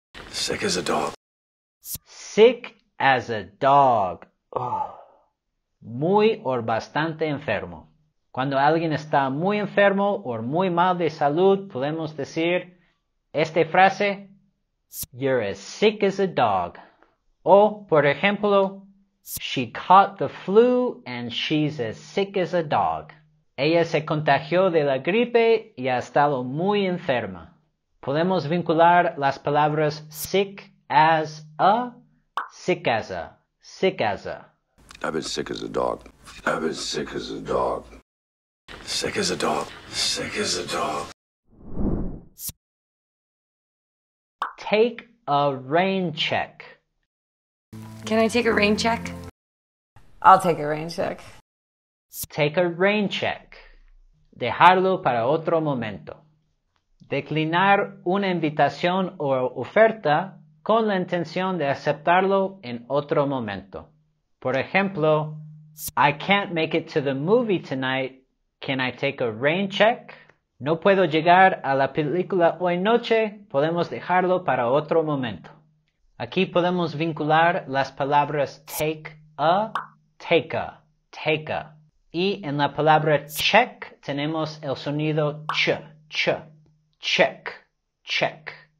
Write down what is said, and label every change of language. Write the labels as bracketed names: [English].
[English] Sick as a dog. Sick as a dog. [Spanish] Muy o bastante enfermo. Cuando alguien está muy enfermo o muy mal de salud, podemos decir Esta frase, [English] you're as sick as a dog. [Spanish] O, por ejemplo, [English] she caught the flu and she's as sick as a dog. [Spanish] Ella se contagió de la gripe y ha estado muy enferma. Podemos vincular las palabras [English] sick as a, sick as a, sick as a. I've been sick as a dog. I've been sick as a dog. Sick as a dog. Sick as a dog. Take a rain check. Can I take a rain check? I'll take a rain check. Take a rain check. [Spanish] Dejarlo para otro momento. Declinar una invitación o oferta con la intención de aceptarlo en otro momento. Por ejemplo, [English] I can't make it to the movie tonight. Can I take a rain check? [Spanish] No puedo llegar a la película hoy noche. Podemos dejarlo para otro momento. Aquí podemos vincular las palabras [English] take a, take a, take a. [Spanish] Y en la palabra check tenemos el sonido ch, ch, check, check.